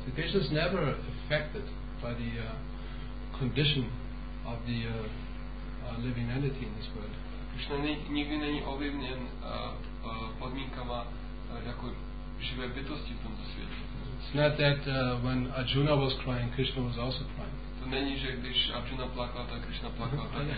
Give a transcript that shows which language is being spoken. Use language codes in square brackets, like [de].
[en] So Krishna is never affected by the condition of the living entity in this world. [cs] Krishna nikdy není ovlivněn podmínkama jako živé bytosti v tomto světě. [en] It's not that when Arjuna was crying, Krishna was also crying. [cs] To není, že když Arjuna plakala, tak Krishna plakala.